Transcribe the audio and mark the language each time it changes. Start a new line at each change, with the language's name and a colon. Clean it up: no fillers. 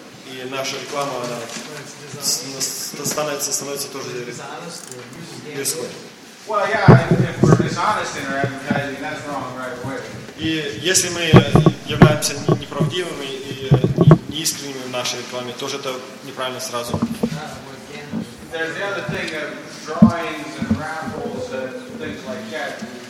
Russian: И наша реклама, она становится тоже рисковой.
English: Well, yeah, if we're dishonest in our advertising, that's wrong right away.
Russian: И если мы являемся неправдивыми и неискренними в нашей рекламе, тоже это неправильно сразу.
English: There's the other thing of drawings and raffles and things like that.